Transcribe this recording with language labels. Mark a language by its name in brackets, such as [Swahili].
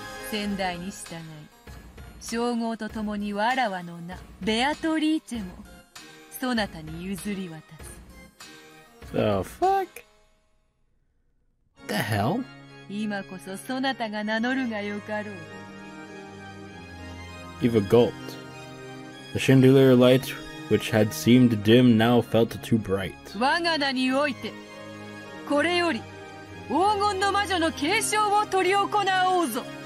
[Japanese] 先代に従い、称号とともにわらわの名ベアトリーチェもそなたに譲り渡す。 [English] The fuck? What the hell? [Japanese] 今こそそなたが名乗るがよかろう。 [English] Eva gulped. The chandelier light, which had seemed dim, now felt too bright. [Japanese] 我が名において、これより黄金の魔女の継承を執り行おうぞ。